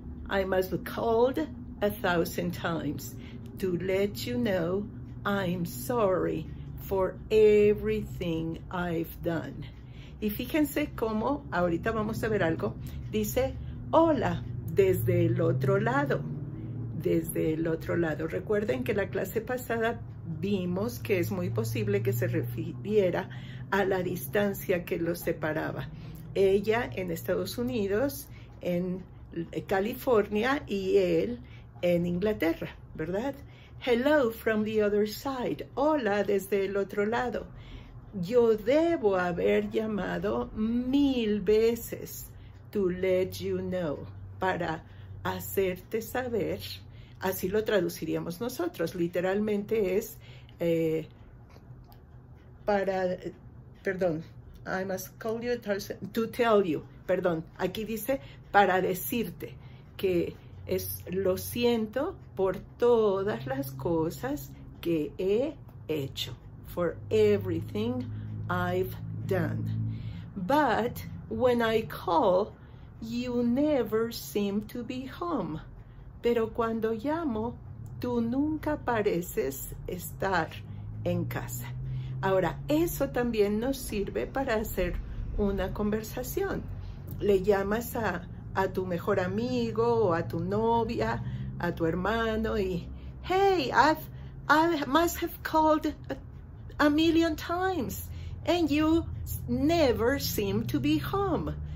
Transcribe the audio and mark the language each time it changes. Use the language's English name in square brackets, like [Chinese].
[English] I must called 1,000 times to let you know I'm sorry for everything I've done." [Spanish] Y fíjense cómo, ahorita vamos a ver algo, dice, hola, desde el otro lado, desde el otro lado. Recuerden que la clase pasada vimos que es muy posible que se refiriera a la distancia que los separaba. Ella en Estados Unidos, en California, y él en Inglaterra, ¿verdad? [English] Hello from the other side. [Spanish] Hola desde el otro lado. Yo debo haber llamado mil veces [English] to let you know, [Spanish] para hacerte saber. Así lo traduciríamos nosotros. Literalmente es [English] I must call you to tell you. [Spanish] Perdón, aquí dice para decirte que es lo siento por todas las cosas que he hecho. [English] For everything I've done. But when I call, you never seem to be home. [Spanish] Pero cuando llamo, tú nunca pareces estar en casa. Ahora, eso también nos sirve para hacer una conversación. Le llamas a tu mejor amigo, o a tu novia, a tu hermano, y [English] hey, I must have called a million times, and you never seem to be home.